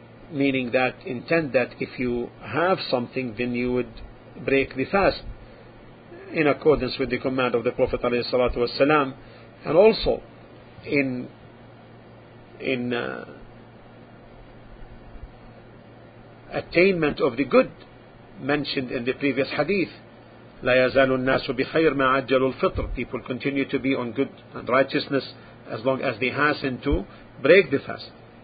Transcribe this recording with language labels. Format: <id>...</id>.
<en>Meaning that intend that if you have something, then you would break the fast in accordance with the command of the Prophet alayhi salatu wasalam, and also in attainment of the good mentioned in the previous hadith.</en> <ar>لا يزال الناس بخير ما عجلوا الفطر.</ar> <en>People continue to be on good and righteousness as long as they hasten to break the fast.</en>